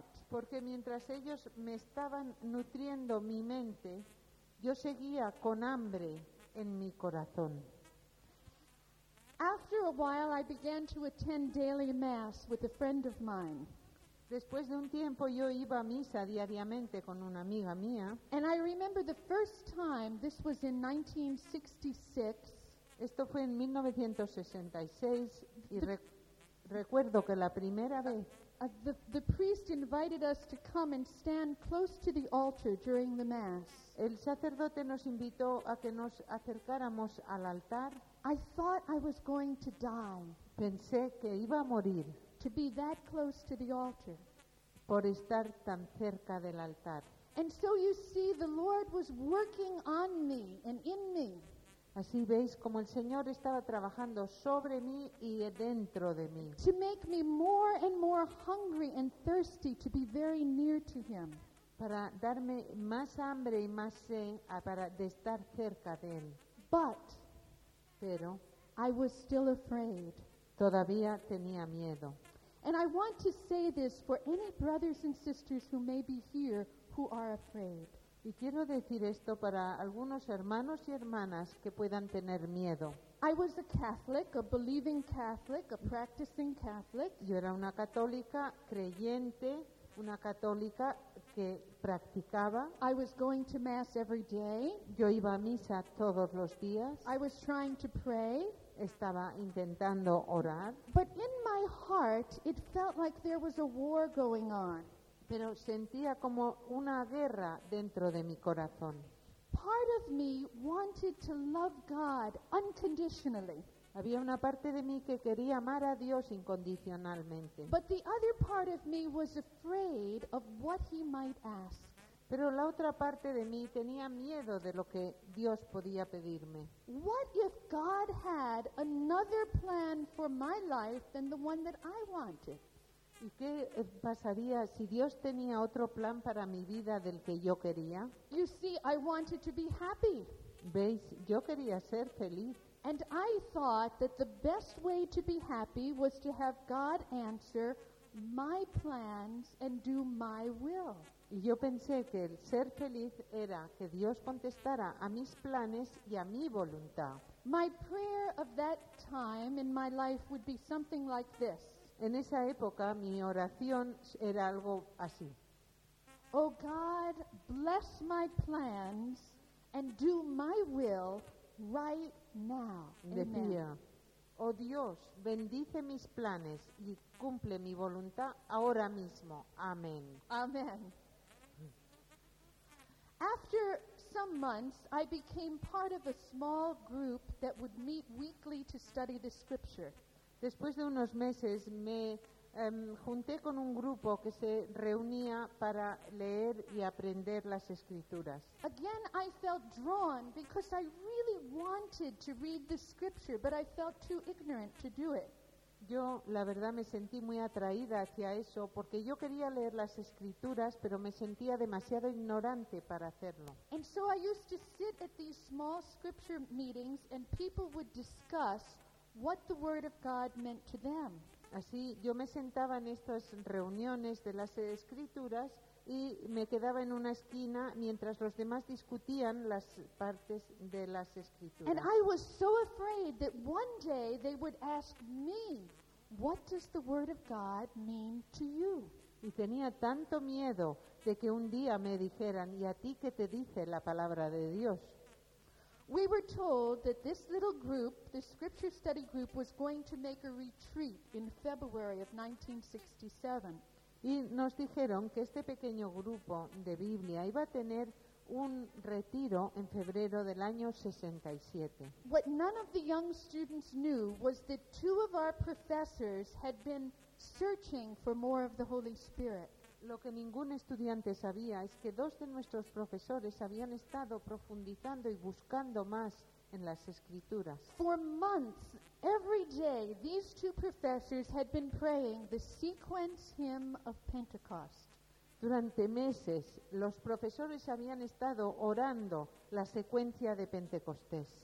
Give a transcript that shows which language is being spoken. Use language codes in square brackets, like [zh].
[es] Porque mientras ellos me estaban nutriendo mi mente, yo seguía con hambre en mi corazón. [en] After a while, I began to attend daily mass with a friend of mine. [es] Después de un tiempo, yo iba a misa diariamente con una amiga mía. [en] And I remember the first time, this was in 1966. [es] Esto fue en 1966, y recuerdo que la primera vez... [en] The priest invited us to come and stand close to the altar during the mass. [es] El sacerdote nos invitó a que nos acercáramos al altar. [en] I thought I was going to die. [es] Pensé que iba a morir. [en] To be that close to the altar. [es] Por estar tan cerca del altar. [en] And so you see, the Lord was working on me and in me. [es] Así veis como el Señor estaba trabajando sobre mí y dentro de mí. [en] To make me more and more hungry and thirsty to be very near to him. [es] Para darme más hambre y más sed para de estar cerca de él. Pero [en] I was still afraid. [es] Todavía tenía miedo. [en] And I want to say this for any brothers and sisters who may be here who are afraid. [es] Y quiero decir esto para algunos hermanos y hermanas que puedan tener miedo. [en] I was a Catholic, a believing Catholic, a practicing Catholic. [es] Yo era una católica creyente, una católica que practicaba. [en] I was going to mass every day. [es] Yo iba a misa todos los días. [en] I was trying to pray. [es] Estaba intentando orar. [en] But in my heart, it felt like there was a war going on. [es] Pero sentía como una guerra dentro de mi corazón. [en] Part of me wanted to love God unconditionally. [es] Había una parte de mí que quería amar a Dios incondicionalmente. [en] But the other part of me was afraid of what he might ask. [es] Pero la otra parte de mí tenía miedo de lo que Dios podía pedirme. [en] What if God had another plan for my life than the one that I wanted? [es] ¿Y qué pasaría si Dios tenía otro plan para mi vida del que yo quería? [en] You see, I wanted to be happy. [es] ¿Veis? Yo quería ser feliz. [en] And I thought that the best way to be happy was to have God answer my plans and do my will. [es] Y yo pensé que el ser feliz era que Dios contestara a mis planes y a mi voluntad. [en] My prayer of that time in my life would be something like this. [es] En esa época, mi oración era algo así. [en] Oh God, bless my plans and do my will right now. [es] Decía, [en] amen. [es] Oh Dios, bendice mis planes y cumple mi voluntad ahora mismo. Amén. [en] Amen. After some months, I became part of a small group that would meet weekly to study the scripture. [es] Después de unos meses, me junté con un grupo que se reunía para leer y aprender las escrituras. [en] Again, I felt drawn because I really wanted to read the scripture, but I felt too ignorant to do it. [es] Yo, la verdad, me sentí muy atraída hacia eso porque yo quería leer las escrituras, pero me sentía demasiado ignorante para hacerlo. [en] And so I used to sit at these small scripture meetings and people would discuss what the word of God meant to them. [es] Así, yo me sentaba en estas reuniones de las escrituras y me quedaba en una esquina mientras los demás discutían las partes de las escrituras. [en] And I was so afraid that one day they would ask me, what does the word of God mean to you? [es] Y tenía tanto miedo de que un día me dijeran, ¿y a ti qué te dice la palabra de Dios? [en] We were told that this little group, the scripture study group, was going to make a retreat in February of 1967. [es] Y nos dijeron que este pequeño grupo de Biblia iba a tener un retiro en febrero del año 67. [en] What none of the young students knew was that two of our professors had been searching for more of the Holy Spirit. [es] Lo que ningún estudiante sabía es que dos de nuestros profesores habían estado profundizando y buscando más en las escrituras. [en] For months, every day, these two professors had been praying the sequence hymn of Pentecost. [es] Durante meses, los profesores habían estado orando la secuencia de Pentecostés.